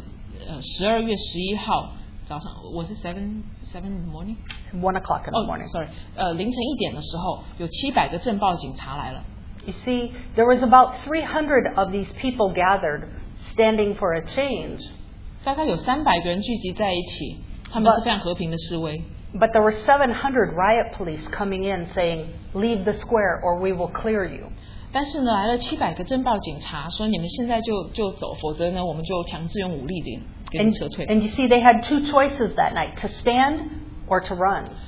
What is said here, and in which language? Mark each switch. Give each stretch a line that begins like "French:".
Chinese: 但是呢，他们在那里示威的时候就是12月11号。凌晨1点的时候，有700个政报警察来了。
English: You see, there was about 300 of these people gathered, standing for a change.
Chinese: 大概有300个人聚集在一起，他们是非常和平的示威。
English: But there were 700 riot police coming in, saying, "Leave the square, or we will clear you."
Chinese: 但是呢，来了700个政报警察，说你们现在就走，否则呢，我们就强制用武力的。
English: And you see, they had two choices that night, to stand or to run.